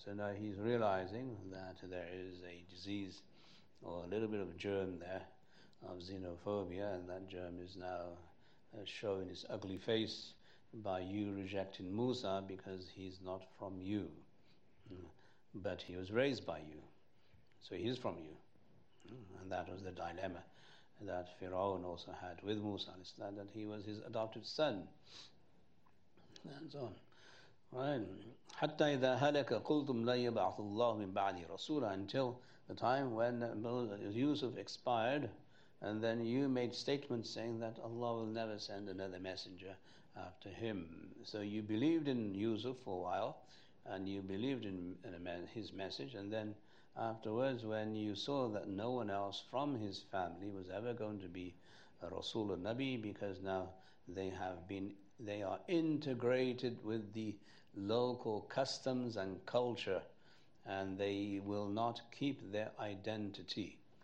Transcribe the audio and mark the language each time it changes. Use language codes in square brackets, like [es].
[en] So now he's realizing that there is a disease or a little bit of germ there of xenophobia, and that germ is now showing its ugly face by you rejecting Musa because he's not from you. But he was raised by you, so he is from you. And that was the dilemma that Pharaoh also had with Musa, that he was his adopted son. And so on. [ar] حتى إذا هلك قلتم لن يبعث الله من بعدي رسولا. [en] Until the time when Yusuf expired, and then you made statements saying that Allah will never send another messenger after him. So you believed in Yusuf for a while, and you believed in his message, and then afterwards when you saw that no one else from his family was ever going to be a Rasul or Nabi, because now they are integrated with the local customs and culture, and they will not keep their identity.